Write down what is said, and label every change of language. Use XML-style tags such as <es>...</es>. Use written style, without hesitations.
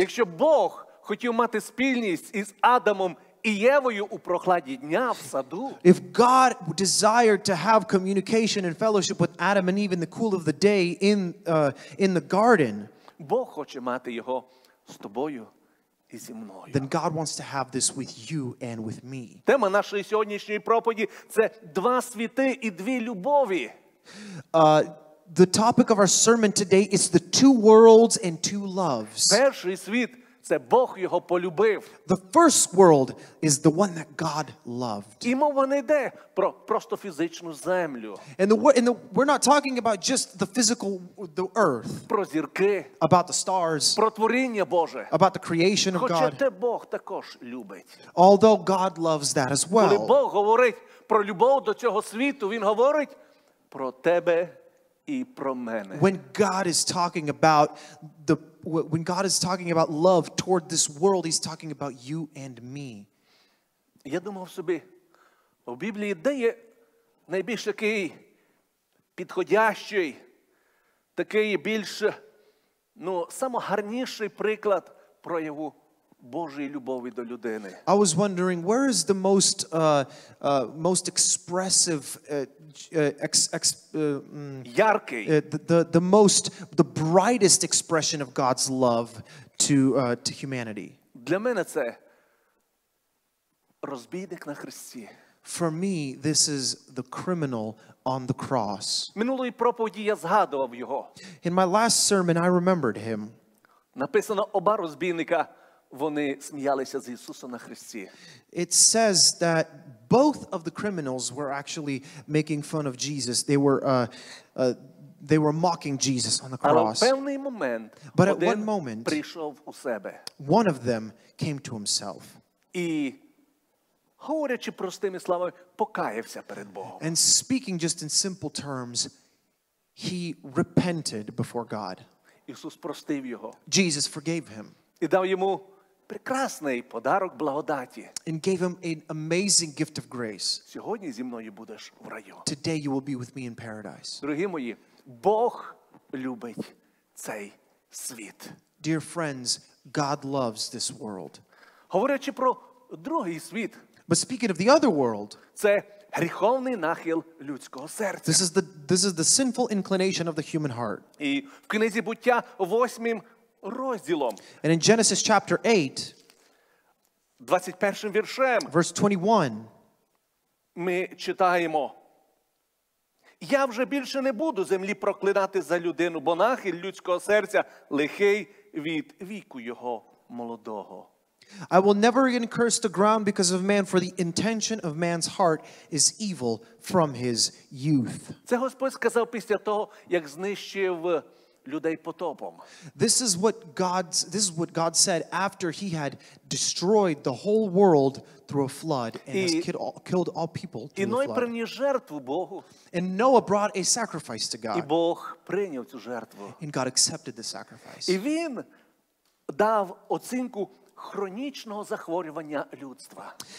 <uk>Якщо Бог хотів мати спільність із Адамом і Євою у прохладі дня в саду.</uk> <en>If God desired to have communication and fellowship with Adam and Eve in the cool of the day in the garden.</en> <uk>Бог хоче мати його з тобою. І зі мною.</uk> <en>Then God wants to have this with you and with me.</en> <uk>Тема нашої сьогоднішньої проповіді – це два світи і дві любові.</uk> <en>The topic of our sermon today is the two worlds and two loves.</en> <uk>Перший світ – це Бог його полюбив.</uk> <en>The first world is the one that God loved.</en> <uk>І мова не йде про просто фізичну землю.</uk> <en>And we're not talking about just the physical, the earth.</en> <uk>Про зірки.</uk> <en>About the stars.</en> <uk>Про творіння Боже.</uk> <en>About the creation of God.</en> <uk>Хоча те Бог також любить.</uk> <en>Although God loves that as well.</en> <uk>Коли Бог говорить про любов до цього світу, він говорить про тебе і про мене.</uk> <en>When God is talking about the when God is talking about love toward this world, he's talking about you and me.</en> <uk>Я думав собі, у Біблії де є найбільш такий підходящий, такий більш, ну, самогарніший приклад прояву Божої любові до людини.</uk> <en>I was wondering, where is the most most expressive</en> <uk>яркий</uk> <en>the most the brightest expression of God's love to humanity?</en> <uk>Для мене це розбійник на хресті.</uk> <en>For me, this is the criminal on the cross.</en> <uk>Минулої проповіді я згадував його.</uk> <en>In my last sermon, I remembered him.</en> <uk>Написано, оба розбійника, вони сміялися з Ісуса на хресті.</uk> <en>It says that both of the criminals were actually making fun of Jesus. They were mocking Jesus on the cross.</en> <uk>Але в певний момент,</uk> <en>but at one moment,</en> <uk>прийшов у себе.</uk> <en>One of them came to himself.</en> <uk>І говорячи простими словами, покаявся перед Богом.</uk> <en>And speaking just in simple terms, he repented before God.</en> <uk>Ісус простив його.</uk> <en>Jesus forgave him.</en> <uk>І дав йому прекрасний подарок благодаті.</uk> <en>And gave him an amazing gift of grace.</en> <uk>Сьогодні зі мною будеш в раю.</uk> <en>Today you will be with me in paradise.</en> <uk>Дорогі мої, Бог любить цей світ.</uk> <en>Dear friends, God loves this world.</en> <uk>Говорячи про другий світ.</uk> <en>But speaking of the other world.</en> <uk>Це гріховний нахил людського серця.</uk> <en>This is the sinful inclination of the human heart.</en> <uk>І в книзі Буття восьмим розділом.</uk> <en>And in Genesis chapter 8.</en> <uk>21 віршем.</uk> <en>Verse 21.</en> <uk>Ми читаємо. Я вже більше не буду землі проклинати за людину, бо нахил людського серця лихий від віку його молодого.</uk> <en>I will never again curse the ground because of man, for the intention of man's heart is evil from his youth.</en> <uk>Це Господь сказав після того, як знищив людей потопом.</uk> <en>This is what God said after he had destroyed the whole world through a flood and has killed all people through the flood.</en> <uk>І Ной приніс жертву Богу.</uk> <en>And Noah brought a sacrifice to God.</en> <uk>І Бог прийняв цю жертву.</uk> <en>And God accepted the sacrifice.</en> <uk>І він дав оцінку хронічного захворювання людства.</uk>